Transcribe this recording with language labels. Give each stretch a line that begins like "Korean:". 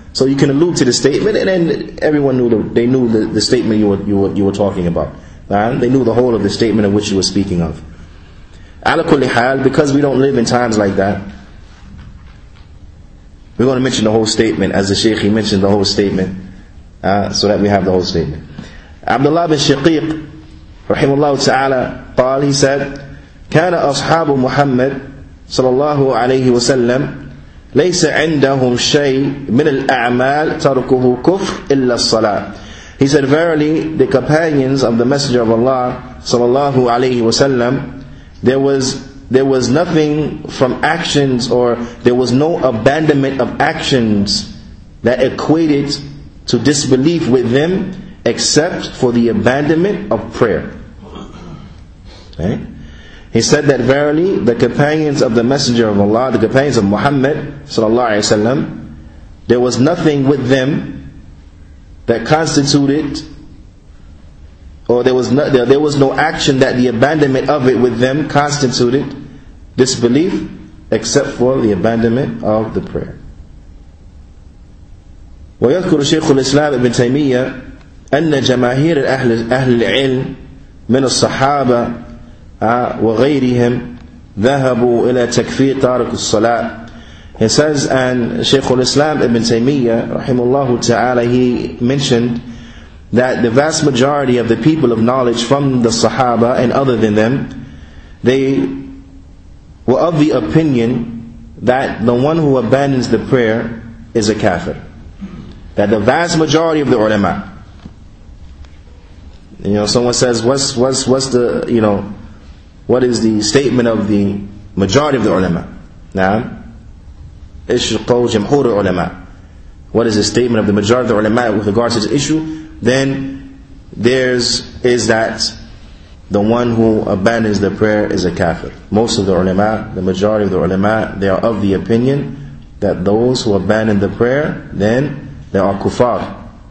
English: So you can allude to the statement, and then everyone knew the statement you were talking about. Na'am, they knew the whole of the statement of which you were speaking of. Ala kulli hal, because we don't live in times like that, we're going to mention the whole statement, as the Shaykh, he mentioned the whole statement, so that we have the whole statement. Abdullah bin Shaqiq, rahimahullah ta'ala, qal, he said,
Arabic: كان أصحاب محمد صلى الله عليه وسلم ليس عندهم شيء من الأعمال تركه كفر إلا الصلاة.
English: He said, verily, the companions of the Messenger of Allah
Arabic: صلى الله عليه وسلم,
English: There was nothing from actions, or there was no abandonment of actions that equated to disbelief with them, except for the abandonment of prayer. Right? He said that verily the companions of the Messenger of Allah, the companions of Muhammad sallallahu alaihi wasallam, there was nothing with them that constituted, or there was no action that the abandonment of it with them constituted disbelief, except for the abandonment of the prayer.
Arabic: ويذكر شيخ الإسلام ابن تيمية أن جماهير أهل العلم من الصحابة وغيرهم ذهبوا إلى تكفير تارك الصلاة.
English: He says, and Shaykh al-Islam ibn Taymiyyah, rahimullahu ta'ala, he mentioned that the vast majority of the people of knowledge from the Sahaba and other than them, they were of the opinion that the one who abandons the prayer is a kafir. That the vast majority of the ulama, you know, someone says, what is the statement of the majority of the ulama? Now,
Arabic: إيش قول جمهور العلماء?
English: What is the statement of the majority of the ulama with regards to this issue? Then theirs is that the one who abandons the prayer is a kafir. Most of the ulama, the majority of the ulama, they are of the opinion that those who abandon the prayer, then they are kufar.